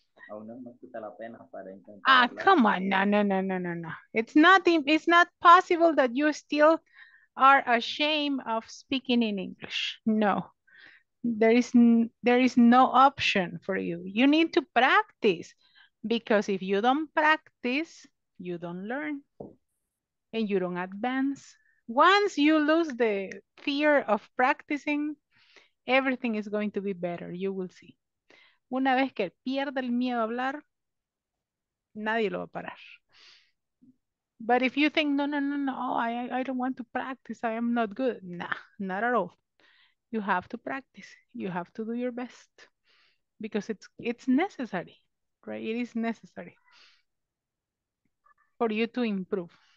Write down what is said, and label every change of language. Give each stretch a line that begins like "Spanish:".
Spanish: Aún no me quita la pena para intentar Ah, hablar.
English: come on. No. It's not possible that you still are ashamed of speaking in English. No. There is no option for you. You need to practice, because if you don't practice, you don't learn and you don't advance. Once you lose the fear of practicing, everything is going to be better. You will see.
Spanish: Una vez que pierda el miedo a hablar, nadie lo va a parar.
English: But if you think, no, I don't want to practice, I am not good. Nah, not at all. You have to practice. You have to do your best, because it's necessary, right? It is necessary for you to improve.